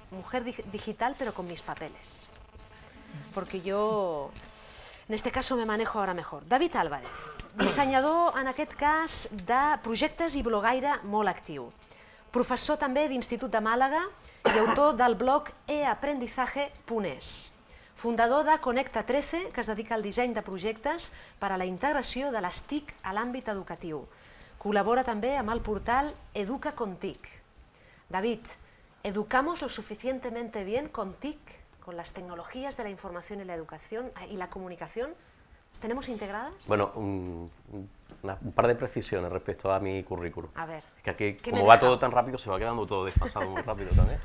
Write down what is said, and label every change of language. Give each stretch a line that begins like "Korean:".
Spanish: Mujer digital, pero con mis papeles. Porque yo, en este caso, me manejo ahora mejor.
Catalan: David Álvarez, dissenyador, en aquest cas, de projectes i blogaire molt actiu. Professor també d'Institut de Màlaga i autor del blog eaprendizaje.es. Fundador de Connecta 13, que es dedica al disseny de projectes per a la integració de les TIC a l'àmbit educatiu. Col·labora també amb el portal Educa con TIC.
Spanish: David, ¿educamos lo suficientemente bien con TIC, con las tecnologías de la información y la educación y la comunicación? ¿Las tenemos integradas? Bueno, un par de precisiones respecto a mi currículum. A ver, que aquí, como va todo tan rápido, se va quedando todo desfasado muy rápido también.